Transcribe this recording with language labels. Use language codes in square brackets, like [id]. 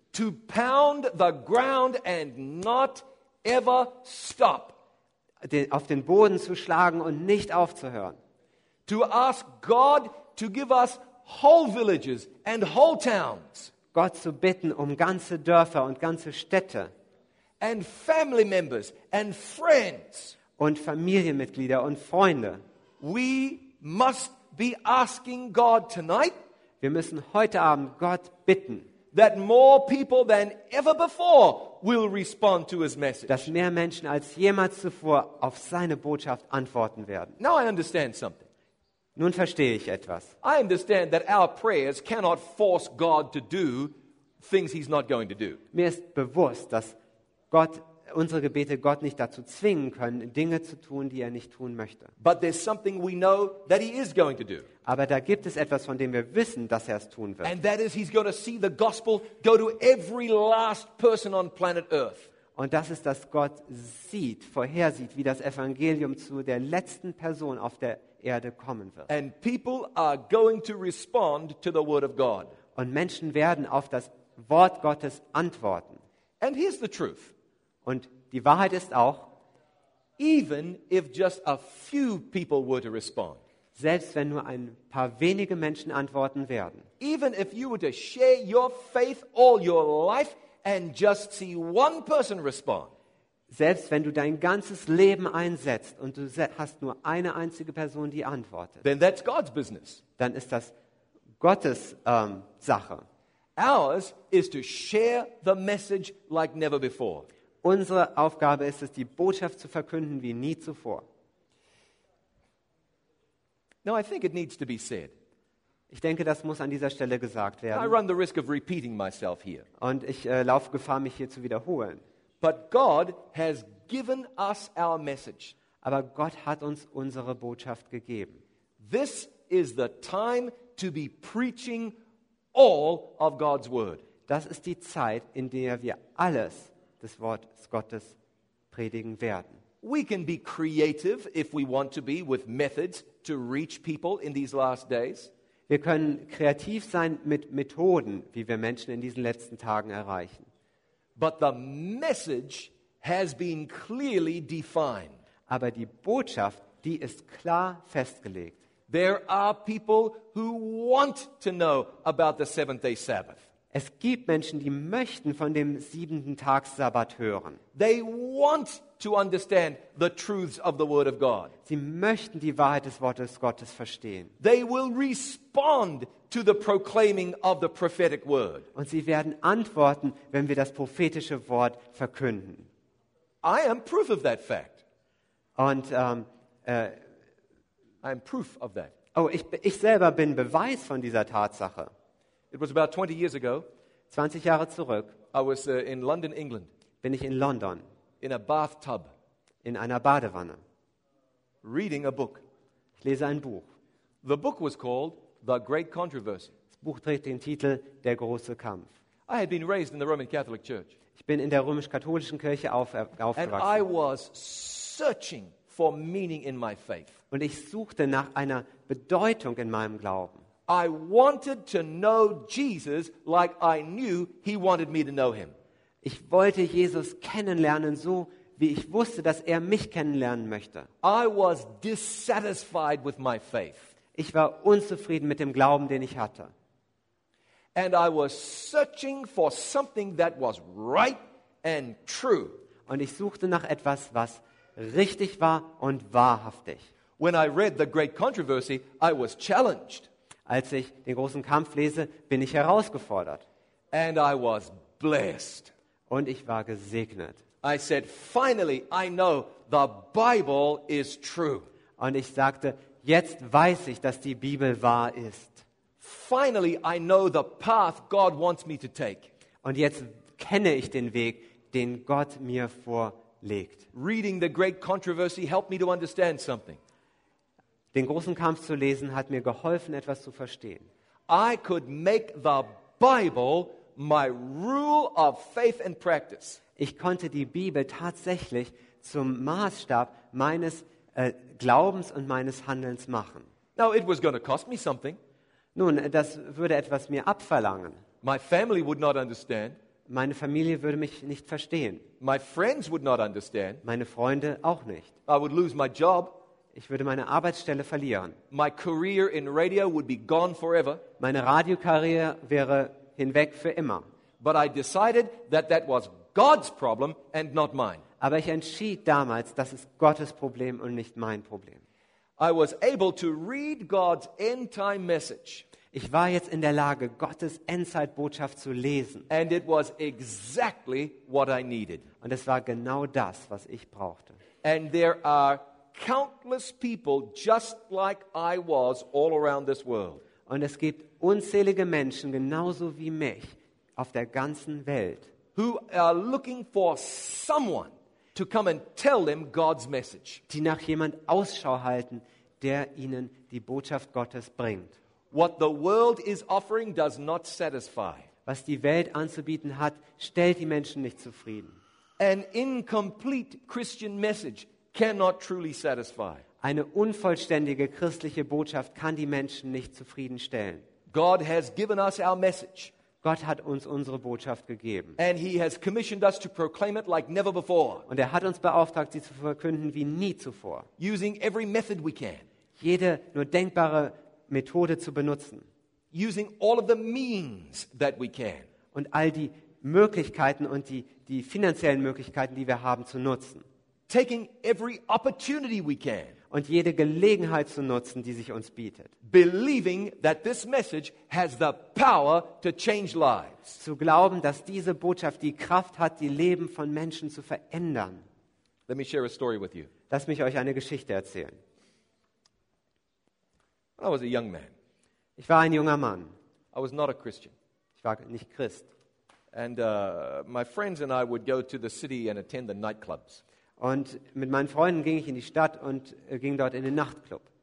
[en] To pound the ground and not ever stop. [de] Auf den Boden zu schlagen und nicht aufzuhören. [en] To ask God to give us whole villages and whole towns. [de] Gott zu bitten um ganze Dörfer und ganze Städte. [en] And family members and friends. [de] Und Familienmitglieder und Freunde. [en] We must be asking God tonight. [de] Wir müssen heute Abend Gott bitten, [en] that more people than ever before will respond to his message. [de] Dass mehr Menschen als jemals zuvor auf seine Botschaft antworten werden. [en] Now I understand something. [de] Nun verstehe ich etwas. [en] I understand that our prayers cannot force God to do things he's not going to do. [de] Mir ist bewusst, dass unsere Gebete Gott nicht dazu zwingen können, Dinge zu tun, die er nicht tun möchte. [en] But there's something we know that he is going to do. [de] Aber da gibt es etwas, von dem wir wissen, dass er es tun wird. [en] And that is he's going to see the gospel go to every last person on planet Earth. [de] Und das ist, dass Gott sieht, vorhersieht, wie das Evangelium zu der letzten Person auf der Erde kommen wird. [en] And people are going to respond to the word of God. [de] Und Menschen werden auf das Wort Gottes antworten. [en] And here's the truth. [de] Und die Wahrheit ist auch, [en] even if just a few people were to respond, [de] selbst wenn nur ein paar wenige Menschen antworten werden, [en] even if you were to share your faith all your life and just see one person respond, [de] selbst wenn du dein ganzes Leben einsetzt und du hast nur eine einzige Person, die antwortet, [en] then that's God's business. [de] Dann ist das Gottes Sache. [en] Ours is to share the message like never before. [de] Unsere Aufgabe ist es, die Botschaft zu verkünden wie nie zuvor. [en] Now I think it needs to be said. [de] Ich denke, das muss an dieser Stelle gesagt werden. [en] I run the risk of repeating myself here. [de] Und ich laufe Gefahr, mich hier zu wiederholen. [en] But God has given us our message. [de] Aber Gott hat uns unsere Botschaft gegeben. [en] This is the time to be preaching all of God's word. [de] Das ist die Zeit, in der wir alles des Wortes Gottes predigen werden. [en] We can be creative if we want to be with methods to reach people in these last days. [de] Wir können kreativ sein mit Methoden, wie wir Menschen in diesen letzten Tagen erreichen. [en] But the message has been clearly defined. [de] Aber die Botschaft, die ist klar festgelegt. [en] There are people who want to know about the Seventh-day Sabbath. [de] Es gibt Menschen, die möchten von dem siebenten Tag Sabbat hören. [en] They want to understand the truths of the word of God. [de] Sie möchten die Wahrheit des Wortes Gottes verstehen. [en] They will respond to the proclaiming of the prophetic word. [de] Und sie werden antworten, wenn wir das prophetische Wort verkünden. [en] I am proof of that fact. [de] Und [en] I am proof of that. [de] Oh, ich selber bin Beweis von dieser Tatsache. [en] It was about 20 years ago. [de] 20 Jahre zurück. [en] I was in London, England. [de] Bin ich in London. [en] In a bathtub. [de] In einer Badewanne. [en] Reading a book. [de] Ich lese ein Buch. [en] The book was called The Great Controversy. [de] Das Buch trägt den Titel Der große Kampf. [en] I had been raised in the Roman Catholic Church. [de] Ich bin in der römisch-katholischen Kirche aufgewachsen. [en] And I was searching for meaning in my faith. [de] Und ich suchte nach einer Bedeutung in meinem Glauben. [en] I wanted to know Jesus like I knew he wanted me to know him. [de] Ich wollte Jesus kennenlernen, so wie ich wusste, dass er mich kennenlernen möchte. [en] I was dissatisfied with my faith. [de] Ich war unzufrieden mit dem Glauben, den ich hatte. [en] And I was searching for something that was right and true. [de] Und ich suchte nach etwas, was richtig war und wahrhaftig. [en] When I read the great controversy, I was challenged. [de] Als ich den großen Kampf lese, bin ich herausgefordert. [en] And I was blessed. [de] Und ich war gesegnet. [en] I said, finally, I know the Bible is true. [de] Und ich sagte, jetzt weiß ich, dass die Bibel wahr ist. [en] Finally, I know the path God wants me to take. [de] Und jetzt kenne ich den Weg, den Gott mir vorlegt. [en] Reading the great controversy helped me to understand something. [de] Den großen Kampf zu lesen hat mir geholfen, etwas zu verstehen. [en] I could make the Bible my rule of faith and practice. [de] Ich konnte die Bibel tatsächlich zum Maßstab meines Glaubens und meines Handelns machen. [en] Now it was going to cost me something. [de] Nun, das würde etwas mir abverlangen. [en] My family would not understand. [de] Meine Familie würde mich nicht verstehen. [en] My friends would not understand. [de] Meine Freunde auch nicht. [en] I would lose my job. [de] Ich würde meine Arbeitsstelle verlieren. [en] My career in radio would be gone forever. [de] Meine Radiokarriere wäre hinweg für immer. [en] But I decided that that was God's problem and not mine. [de] Aber ich entschied damals, das ist Gottes Problem und nicht mein Problem. [en] I was able to read God's end time message. [de] Ich war jetzt in der Lage, Gottes Endzeitbotschaft zu lesen. [en] And it was exactly what I needed. [de] Und es war genau das, was ich brauchte. [en] And there are countless people just like I was all around this world. [de] Und es gibt unzählige Menschen genauso wie mich auf der ganzen Welt, [en] who are looking for someone to come and tell them God's message. [de] Die nach jemand Ausschau halten, der ihnen die Botschaft Gottes bringt. [en] What the world is offering does not satisfy. [de] Was die Welt anzubieten hat, stellt die Menschen nicht zufrieden. [en] An incomplete Christian message cannot truly satisfy. [de] Eine unvollständige christliche Botschaft kann die Menschen nicht zufriedenstellen. [en] God has given us our message. [de] Gott hat uns unsere Botschaft gegeben. [en] And he has commissioned us to proclaim it like never before. [de] Und er hat uns beauftragt, sie zu verkünden wie nie zuvor. [en] Using every method we can. [de] Jede nur denkbare Methode zu benutzen. [en] Using all of the means that we can. [de] Und all die Möglichkeiten und die finanziellen Möglichkeiten, die wir haben, zu nutzen. [en] Taking every opportunity we can. [de] Und jede Gelegenheit zu nutzen, die sich uns bietet. [en] Believing that this message has the power to change lives. [de] Zu glauben, dass diese Botschaft die Kraft hat, die Leben von Menschen zu verändern. [en] Let me share a story with you. [de] Lass mich euch eine Geschichte erzählen. [en] I was a young man. [de] Ich war ein junger Mann. [en] I was not a Christian. [de] Ich war nicht Christ. [en] And my friends and I would go to the city and attend the nightclubs. [de] Und mit meinen Freunden ging ich in die Stadt und ging dort in den Nachtclub.